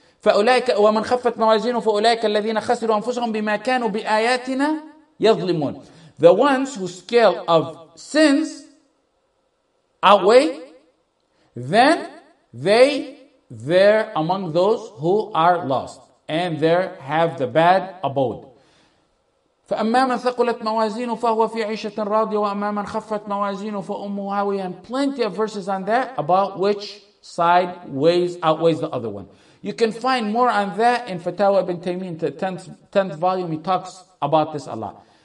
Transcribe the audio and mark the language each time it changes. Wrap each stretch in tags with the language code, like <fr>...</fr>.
<ar>فأولئك ومن خفت موازينه فأولئك الذين خسروا أنفسهم بما كانوا بآياتنا يظلمون.</ar> <en>The ones whose scale of sins outweigh, then they're among those who are lost and there have the bad abode.</en> <ar>فأما من ثقلت موازينه فهو في عيشة راضية وأما من خفت موازينه فأمه هاوية.</ar> <en>And plenty of verses on that about which side outweighs the other one. You can find more on that in Fatawa Ibn Taymiyyah, the 10th volume. He talks about this a lot.</en>